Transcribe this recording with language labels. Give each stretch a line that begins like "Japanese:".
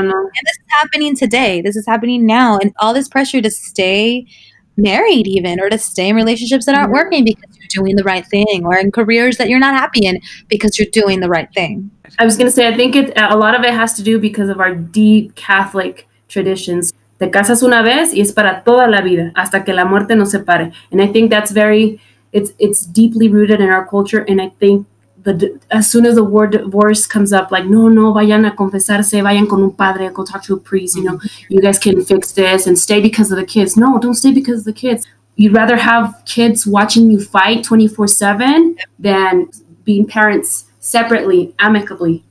English: And this is happening today. This is happening now. And all this pressure to stay married even, or to stay in relationships that aren't working because you're doing the right thing, or in careers that you're not happy in because you're doing the right thing. I was going to say, I think a lot of it has to do because of our deep Catholic traditions.
Spanish: Te casas una vez y es para toda la vida, hasta que la muerte nos separe.
English: And I think that's it's deeply rooted in our culture. And I think as soon as the word divorce comes up, like, no,
Spanish: vayan a confesarse, vayan con un padre,
English: go talk to a priest, you know, you guys can fix this and stay because of the kids. No, don't stay because of the kids. You'd rather have kids watching you fight 24/7 than being parents separately, amicably.